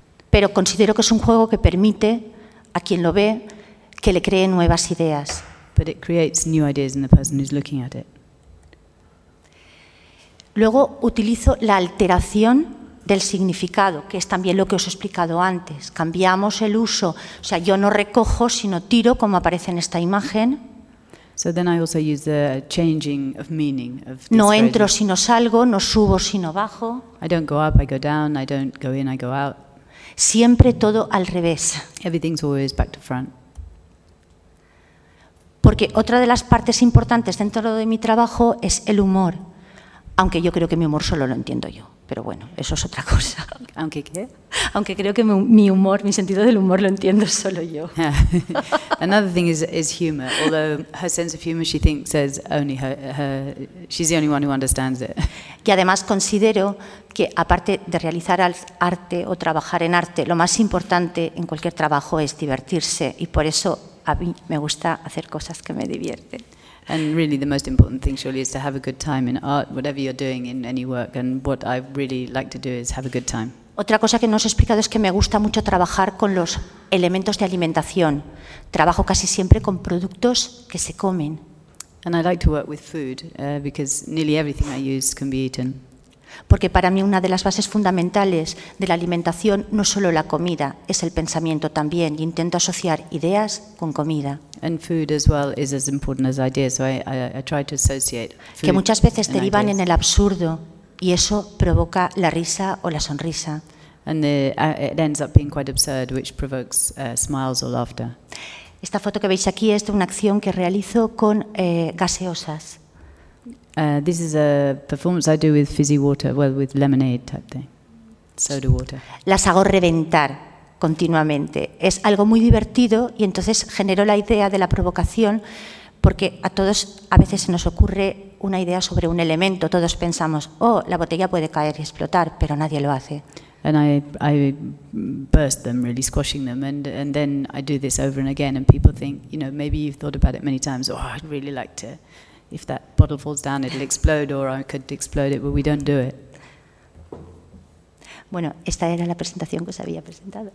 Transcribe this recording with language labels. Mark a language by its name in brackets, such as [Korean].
[Spanish] Pero considero que es un juego que permite a quien lo ve que le cree nuevas ideas. [English] But it creates new ideas in the person who's looking at it. [Spanish] Luego utilizo la alteración del significado, que es también lo que os he explicado antes. Cambiamos el uso, o sea, yo no recojo, sino tiro, como aparece en esta imagen. [English] So then I also use the changing of meaning of this. [Spanish] No entro sino salgo, no subo sino bajo. [English] I don't go up, I go down, I don't go in, I go out. [Spanish] Siempre todo al revés. [English] Everything's always back to front. [Spanish] Porque otra de las partes importantes dentro de mi trabajo es el humor. Aunque yo creo que mi humor solo lo entiendo yo. Pero bueno, eso es otra cosa. ¿Aunque qué? Aunque creo que mi humor, mi sentido del humor lo entiendo solo yo. [English] Another thing is humor. Although her sense of humor, she thinks is only she's the only one who understands it. [Spanish] Y además considero que aparte de realizar arte o trabajar en arte, lo más importante en cualquier trabajo es divertirse. Y por eso a mí me gusta hacer cosas que me divierten. [English] And really the most important thing surely is to have a good time in art, whatever you're doing in any work, and what I really like to do is have a good time. [Spanish] Otra cosa que no os he explicado es que me gusta mucho trabajar con los elementos de alimentación. Trabajo casi siempre con productos que se comen. [English] And I like to work with food because nearly everything I use can be eaten. [Spanish] Porque para mí una de las bases fundamentales de la alimentación no es solo la comida, es el pensamiento también. Intento asociar ideas con comida. [English] And food as well is as important as ideas, so I try to associate food. [Spanish] Que muchas veces derivan en el absurdo y eso provoca la risa o la sonrisa. [English] And it ends up being quite absurd, which provokes smiles or laughter. [Spanish] Esta foto que veis aquí es de una acción que realizo con gaseosas. [English] This is a performance I do with fizzy water, well, with lemonade type thing, soda water. [Spanish] Las hago reventar continuamente. Es algo muy divertido y entonces generó la idea de la provocación porque a todos a veces se nos ocurre una idea sobre un elemento. Todos pensamos, oh, la botella puede caer y explotar, pero nadie lo hace. [English] And I burst them, really squashing them, and then I do this over and again, and people think, you know, maybe you've thought about it many times, oh, I'd really like to... If that bottle falls down, it'll explode, or I could explode it, but we don't do it. [Spanish] Bueno, esta era la presentación que os había presentado.